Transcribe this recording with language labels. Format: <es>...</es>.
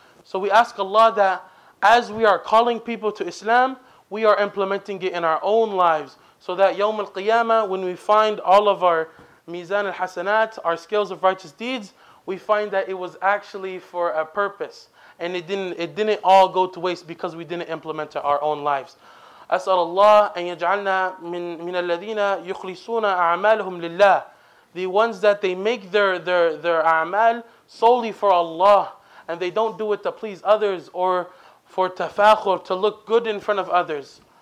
<en>So we ask Allah that as we are calling people to Islam, we are implementing it in our own lives. So that</en> <ar>يوم القيامة,</ar> <en>when we find all of our mizan al-hasanat, our scales of righteous deeds, we find that it was actually for a purpose. And it didn't all go to waste because we didn't implement it our own lives.</en> <ar>أسأل الله أن يجعلنا من الذين يخلصون أعمالهم لله.</ar> <en>The ones that they make their a'mal solely for Allah, and they don't do it to please others or for tafakhur, to look good in front of others.</en>